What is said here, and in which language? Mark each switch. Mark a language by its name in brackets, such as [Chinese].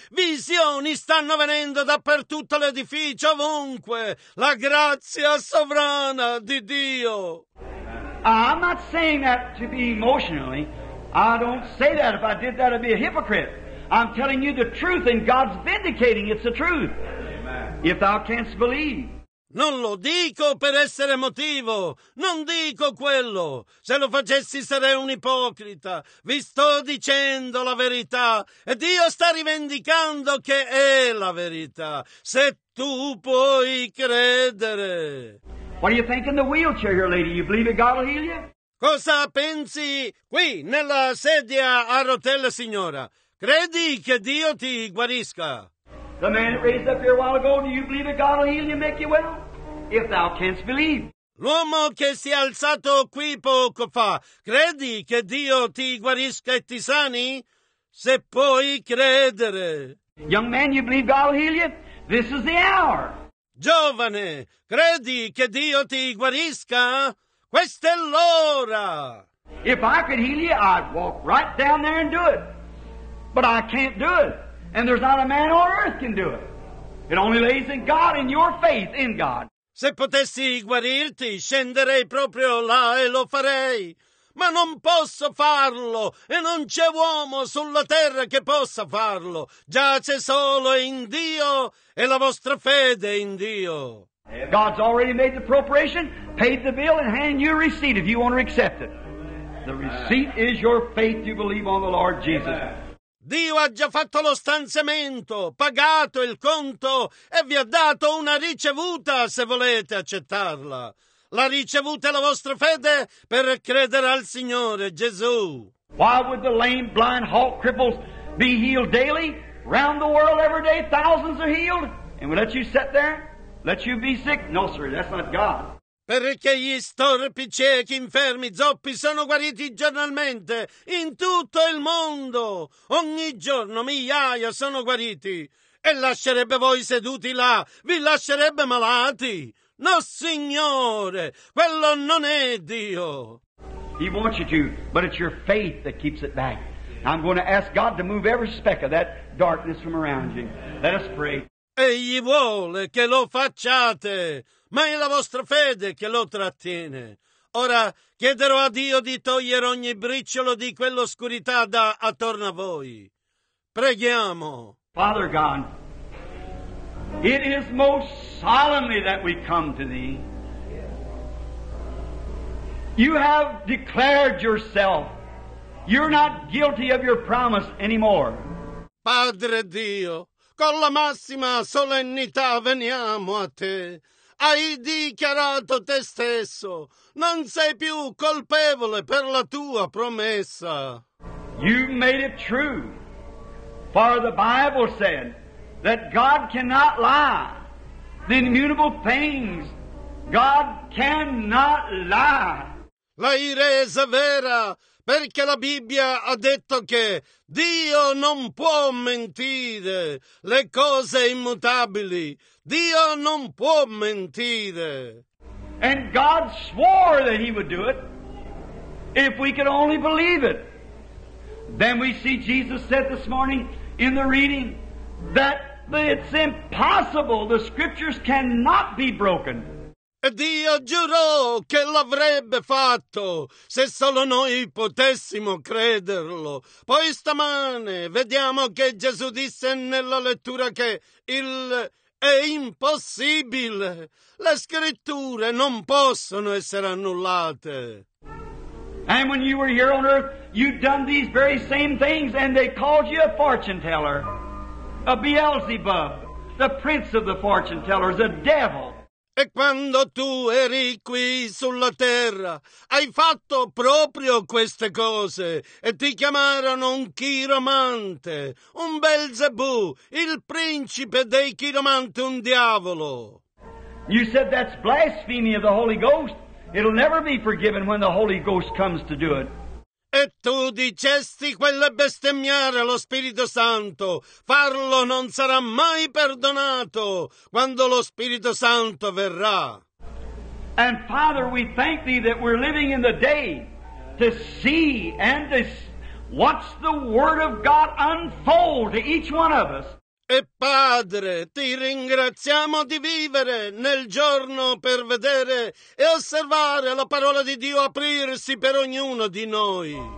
[Italian] Visioni stanno venendo dappertutto l'edificio, ovunque. La grazia sovrana di Dio. [English] I'm not saying that to be emotionally. I don't say that. If I did that, I'd be a hypocrite. I'm telling you the truth, and God's vindicating. It's the truth. Amen. If thou canst believe. [Italian] Non lo dico per essere emotivo, non dico quello. Se lo facessi sarei un ipocrita. Vi sto dicendo la verità e Dio sta rivendicando che è la verità. Se tu puoi credere. [English] What do you think in the wheelchair here, lady? You believe that God will heal you? [Italian] Cosa pensi qui nella sedia a rotelle, signora? Credi che Dio ti guarisca? [English] The man that raised up here a while ago, do you believe that God will heal you and make you well? If thou canst believe. [Italian] L'uomo che si è alzato qui poco fa, credi che Dio ti guarisca e ti sani? Se puoi credere. [English] Young man, you believe God will heal you? This is the hour. [Italian] Giovane, credi che Dio ti guarisca? Questa è l'ora. [English] If I could heal you, I'd walk right down there and do it. But I can't do it. And there's not a man on earth can do it. It only lays in God, in your faith in God. [Italian] Se potessi guarirti, scenderei proprio là e lo farei. Ma non posso farlo, e non c'è uomo sulla terra che possa farlo. Giace solo in Dio, e la vostra fede in Dio. [English] God's already made the appropriation, paid the bill, and handed you a receipt if you want to accept it. The receipt is your faith you believe on the Lord Jesus. [Italian] Dio ha già fatto lo stanziamento, pagato il conto e vi ha dato una ricevuta se volete accettarla. La ricevuta è la vostra fede per credere al Signore Gesù. [English] Why would the lame, blind, halt, cripples be healed daily? Round the world every day thousands are healed? And we let you sit there? Let you be sick? No, sir, that's not God. [Italian] Perché gli storpi, ciechi, infermi, zoppi sono guariti giornalmente in tutto il mondo. Ogni giorno migliaia sono guariti. E lascerebbe voi seduti là, vi lascerebbe malati. No, Signore, quello non è Dio. [English] He wants you to, but it's your faith that keeps it back. I'm going to ask God to move every speck of that darkness from around you. Let us pray. [Italian] Egli vuole che lo facciate. Ma è la vostra fede che lo trattiene. Ora chiederò a Dio di togliere ogni briciolo di quell'oscurità da attorno a voi. Preghiamo. [English] Father God, it is most solemnly that we come to Thee. You have declared yourself. You're not guilty of your promise anymore. [Italian] Padre Dio, con la massima solennità veniamo a Te. Hai dichiarato te stesso. Non sei più colpevole per la tua promessa. [English] You've made it true. For the Bible said that God cannot lie. The immutable things, God cannot lie. [Italian] L'hai resa vera perché la Bibbia ha detto che Dio non può mentire. Le cose immutabili. Dio non può mentire. [English] And God swore that He would do it. If we could only believe it. Then we see Jesus said this morning in the reading that it's impossible. The scriptures cannot be broken. [Italian] E Dio giurò che l'avrebbe fatto se solo noi potessimo crederlo. Poi stamane vediamo che Gesù disse nella lettura che è impossibile. Le scritture non possono essere annullate. [English] And when you were here on earth, you've done these very same things, and they called you a fortune teller, a Beelzebub, the prince of the fortune tellers, a devil. [Italian] E quando tu eri qui sulla terra, hai fatto proprio queste cose, e ti chiamarono un chiromante, un Belzebù, il principe dei chiromanti, un diavolo. [English] You said that's blasphemy of the Holy Ghost. It'll never be forgiven when the Holy Ghost comes to do it. [Italian] E tu dicesti quello è bestemmiare lo Spirito Santo. Farlo non sarà mai perdonato quando lo Spirito Santo verrà. [English] And Father, we thank Thee that we're living in the day to see and to watch the Word of God unfold to each one of us. [Italian] E Padre, Ti ringraziamo di vivere nel giorno per vedere e osservare la parola di Dio aprirsi per ognuno di noi.